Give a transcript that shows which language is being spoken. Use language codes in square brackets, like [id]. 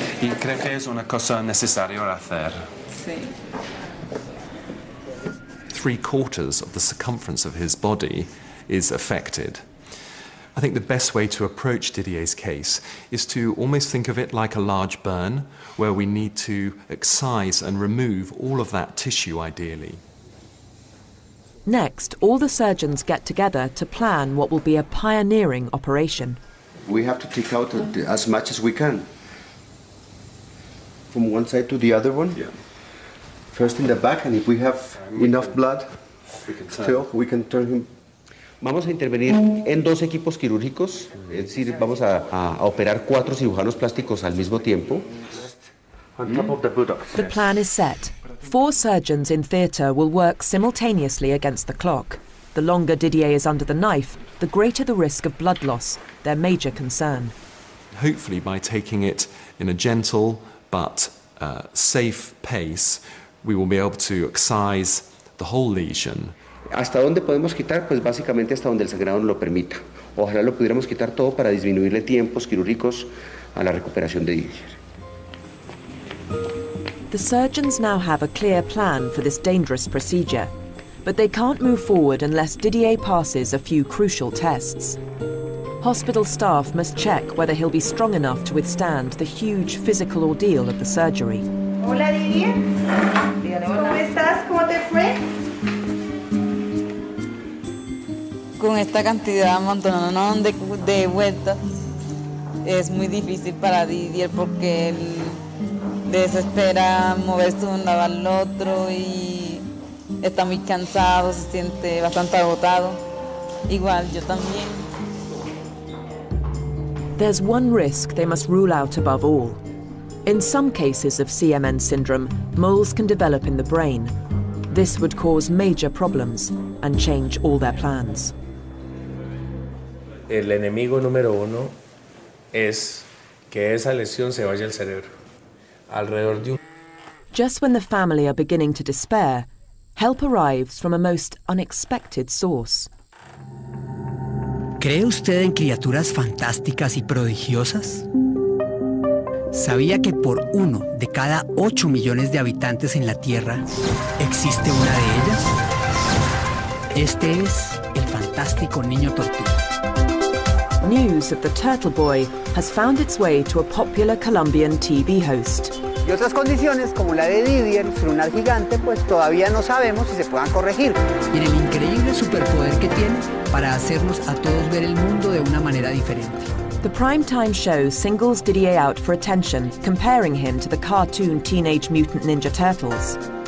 [es] Y creo que es una cosa necesaria hacer. Sí. [en] Three quarters of the circumference of his body is affected. I think the best way to approach Didier's case is to almost think of it like a large burn, where we need to excise and remove all of that tissue, ideally. Next, all the surgeons get together to plan what will be a pioneering operation. We have to take out as much as we can. From one side to the other one. Yeah. First in the back, and if we have enough blood, still, we can turn him. [es] Vamos a intervenir en dos equipos quirúrgicos, es decir, vamos a operar cuatro cirujanos plásticos al mismo tiempo. [en] The plan is set. Four surgeons in theater will work simultaneously against the clock. The longer Didier is under the knife, the greater the risk of blood loss, their major concern. Hopefully, by taking it in a gentle but safe pace, we will be able to excise the whole lesion. [es] ¿Hasta dónde podemos quitar? Pues básicamente hasta donde el sangrado nos lo permita. Ojalá lo pudiéramos quitar todo para disminuirle tiempos quirúrgicos a la recuperación de Didier. [en] The surgeons now have a clear plan for this dangerous procedure, but they can't move forward unless Didier passes a few crucial tests. Hospital staff must check whether he'll be strong enough to withstand the huge physical ordeal of the surgery. [es] Hola, Didier. ¿Cómo estás? ¿Cómo te fue? Con con esta cantidad de amontonadón de vueltas, es muy difícil para Didier porque él desespera moverse de un lado al otro y está muy cansado, se siente bastante agotado. Igual, yo también. [en] There's one risk they must rule out above all. In some cases of CMN syndrome, moles can develop in the brain. This would cause major problems and change all their plans. [es] El enemigo número uno es que esa lesión se vaya al cerebro. Alrededor de un... [en] Just when the family are beginning to despair, help arrives from a most unexpected source. [es] ¿Cree usted en criaturas fantásticas y prodigiosas? ¿Sabía que por uno de cada 8 millones de habitantes en la Tierra existe una de ellas? Este es el fantástico niño tortuga. [en] News of the turtle boy has found its way to a popular Colombian TV host. [es] Y otras condiciones, como la de Didier, frunar gigante, pues todavía no sabemos si se puedan corregir. Y en el increíble superpoder que tiene para hacernos a todos ver el mundo de una manera diferente. [en] The primetime show singles Didier out for attention, comparing him to the cartoon Teenage Mutant Ninja Turtles.